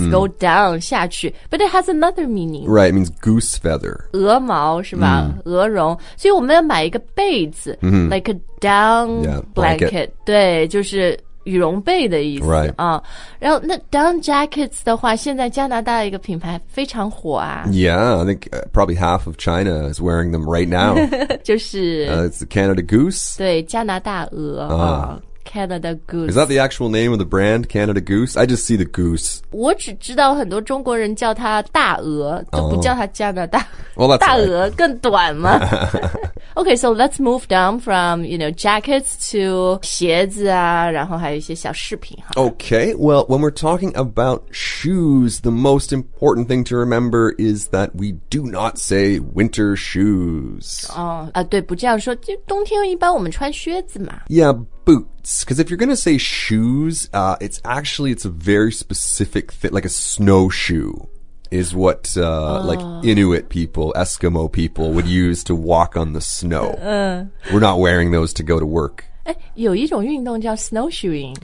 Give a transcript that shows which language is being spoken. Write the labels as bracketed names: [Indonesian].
[English] mm. go down [Chinese] 下去 [English] but it has another meaning. Right, it means goose feather. [Chinese] 鹅毛是吧、mm. 鹅绒所以我们要买一个被子、 mm-hmm. [English] like a down yeah, blanket. [Chinese] 对就是羽绒被的意思、 [English] right. [Chinese] 啊、然后那 down jackets 的话现在加拿大一个品牌非常火啊 [English] Yeah, I think probably half of China is wearing them right now [Chinese] 就是、 [English] It's Canada Goose [Chinese] 对加拿大鹅、Canada Goose [English] Is that the actual name of the brand Canada Goose? I just see the goose [Chinese] 我只知道很多中国人叫它大鹅都不叫它加拿大、 [English] well, that's [Chinese] 大鹅更短吗 [English] Okay, so let's move down from, you know, jackets to [Chinese] 鞋子啊然后还有一些小饰品哈。 [English] Okay, well, when we're talking about shoes, the most important thing to remember is that we do not say winter shoes. [Chinese] 对不这样说就冬天一般我们穿靴子嘛。 [English] Yeah, boots. Because if you're going to say shoes, it's actually, it's a very specific fit, like a snowshoe. Is what、like Inuit people, Eskimo people would use to walk on the snow. We're not wearing those to go to work. [Chinese] 有一种运动叫 snowshoeing.